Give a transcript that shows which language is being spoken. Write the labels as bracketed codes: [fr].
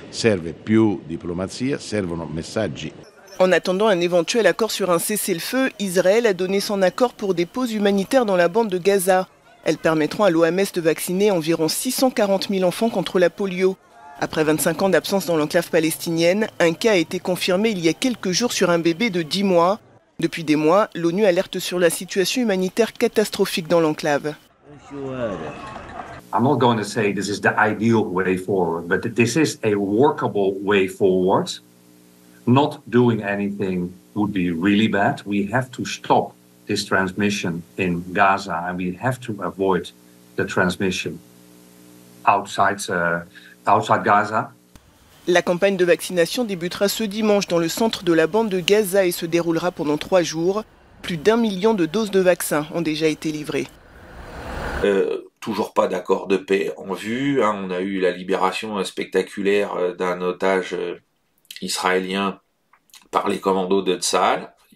[it] Serve più diplomazia, servono messaggi. [fr] En attendant un éventuel accord sur un cessez-le-feu, Israël a donné son accord pour des pauses humanitaires dans la bande de Gaza. Elles permettront à l'OMS de vacciner environ 640 000 enfants contre la polio. Après 25 ans d'absence dans l'enclave palestinienne, un cas a été confirmé il y a quelques jours sur un bébé de 10 mois. Depuis des mois, l'ONU alerte sur la situation humanitaire catastrophique dans l'enclave. [en] I'm not going to say this is the ideal way forward, but this is a workable way forward. Not doing anything would be really bad. We have to stop this transmission in Gaza and we have to avoid the transmission outside Gaza. [fr] La campagne de vaccination débutera ce dimanche dans le centre de la bande de Gaza et se déroulera pendant 3 jours. Plus d'un million de doses de vaccins ont déjà été livrées. Toujours pas d'accord de paix en vue. Hein. On a eu la libération spectaculaire d'un otage israélien par les commandos de Tsahal.